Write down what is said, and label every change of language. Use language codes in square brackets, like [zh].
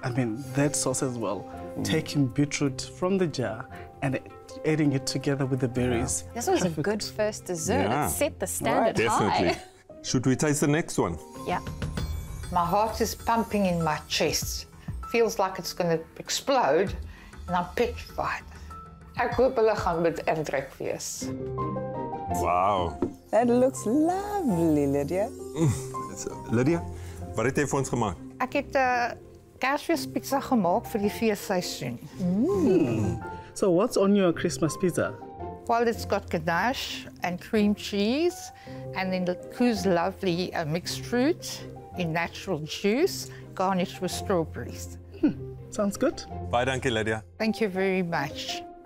[en] I mean, that sauce as well. Taking beetroot from the jar and adding it together with the berries. Yeah. This was perfect. A good first dessert. Yeah. It set the standard right. Definitely. High. Should we taste the next one? Yeah. My heart is pumping in my chest. Feels like it's going to explode, and I'm petrified. [af] Ek hoop hulle gaan met indruk wees. [en] Wow. That looks lovely, Lydia. [af] Lydia, wat het jy vir ons gemaak? Ek het Kersfees pizza gemaakt voor die feestseizoen. [en] So what's on your Christmas pizza? Well, it's got ganache and cream cheese, and then the KOO's lovely mixed fruit in natural juice, garnished with strawberries. Sounds good. [af] Bye, dankie, Lydia. [en] Thank you very much.